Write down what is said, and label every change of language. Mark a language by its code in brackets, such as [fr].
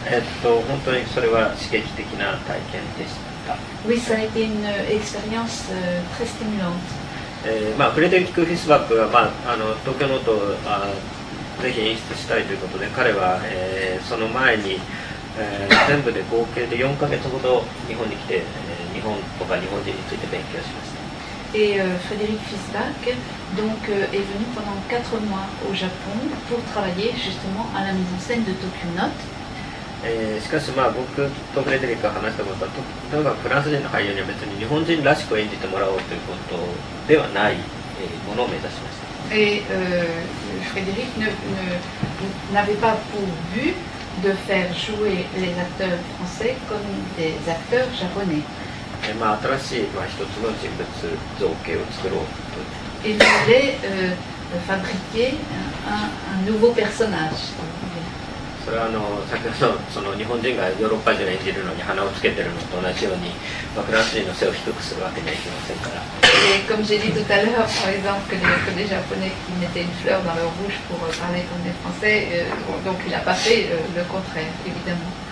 [ja] 本当にそれは刺激的な体験でした。 [fr] Oui, ça a été une expérience très stimulante. [ja] フレデリック・フィスバックは、東京ノートをぜひ演出したいということで、彼は、その前に、全部で合計で4ヶ月ほど日本に来て、日本とか日本人について勉強しました。 [fr] Et Frédéric Fisbach donc, est venu pendant 4 mois au Japon pour travailler justement à la mise en scène de Tokyo Note. [ja] しかし、僕とフレデリックが話したことは、とにかくフランス人の俳優には別に日本人らしく演じてもらおうということではない、ものを目指しました。 [fr] Et Frédéric n'avait pas pour but de faire jouer les acteurs français comme des acteurs japonais. [ja] 新しい、一つの人物造形を作ろうと。 [fr] Il voulait fabriquer un nouveau personnage. [ja] それは先ほどその日本人がヨーロッパ人を演じるのに鼻をつけているのと同じように、フランス人の背を低くするわけにはいきませんから。 [fr] Comme j'ai dit tout à l'heure, par exemple, que les Japonais qui mettaient une fleur dans leur bouche pour parler comme des Français, donc il n'a pas fait le contraire, évidemment.